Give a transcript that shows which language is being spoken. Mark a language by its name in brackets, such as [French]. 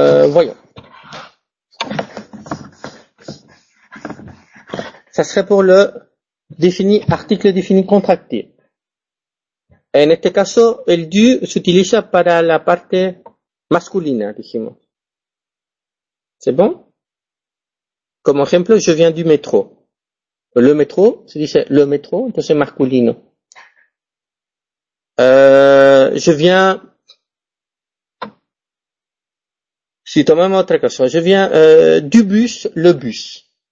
[French] Voyons. Ça serait pour le défini, article défini contracté. [Spanish] En este caso, el du [French] s'utilise [Spanish] para la parte masculina, dijimos. [French] C'est bon? Comme exemple, je viens du métro. Le métro, [Spanish] se dice [French] le métro, [Spanish] entonces [French] c'est masculino. Je viens. [Spanish] Si tomamos otra cosa, [French] je viens du bus, le bus.